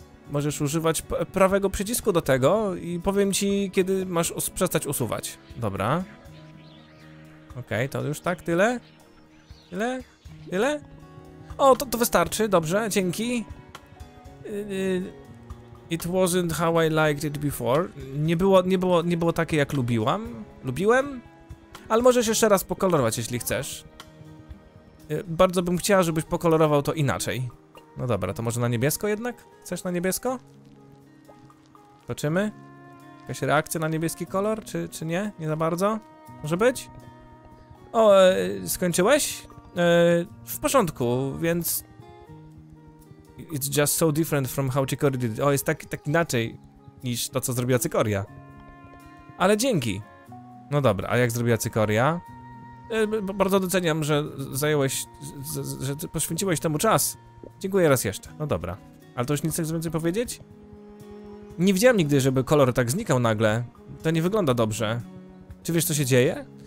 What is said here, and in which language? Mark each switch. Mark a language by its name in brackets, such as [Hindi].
[Polish] Możesz używać prawego przycisku do tego i powiem ci, kiedy masz przestać usuwać. Dobra. Okej, to już tak, tyle? Tyle? Tyle? O, to wystarczy, dobrze, dzięki. [English] It wasn't how I liked it before. [Polish] Nie było takie, jak lubiłam. Lubiłem? Ale możesz jeszcze raz pokolorować, jeśli chcesz. Bardzo bym chciała, żebyś pokolorował to inaczej. No dobra, to może na niebiesko jednak? Chcesz na niebiesko? Zobaczymy? Jakaś reakcja na niebieski kolor, czy nie? Nie za bardzo? Może być? O, skończyłeś? W porządku, więc... [English] It's just so different from how Cikoria did it. [Polish] O, jest tak inaczej niż to, co zrobiła Cikoria. Ale dzięki. No dobra, a jak zrobiła Cikoria? Bardzo doceniam, że zająłeś, że poświęciłeś temu czas. Dziękuję raz jeszcze. No dobra. Ale to już nic chcesz więcej powiedzieć? Nie widziałem nigdy, żeby kolor tak znikał nagle. To nie wygląda dobrze. Czy wiesz, co się dzieje?